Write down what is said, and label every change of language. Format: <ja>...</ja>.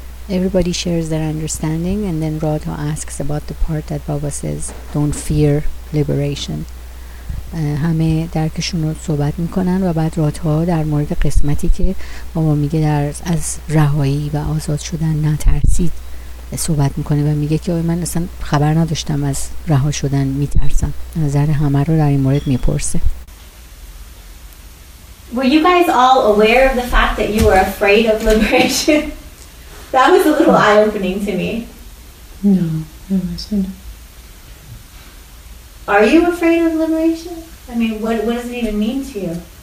<en>Everybody shares their understanding, and then Radha asks about the part that Baba says, don't fear liberation.</en> <fa>همه درکشون رو صحبت میکنن و بعد راتا در مورد قسمتی که بابا میگه در از رهایی و آزاد شدن نترسید صحبت میکنه و میگه که من اصلا خبر نداشتم از رها شدن، میترسم. نظر همه رو در این مورد میپرسه.</fa> <en>Were you guys all aware of the fact that you were afraid of liberation? That was a little eye-opening to me. No, I wasn't. Are you afraid of liberation? I mean, what does it even mean to you?</en>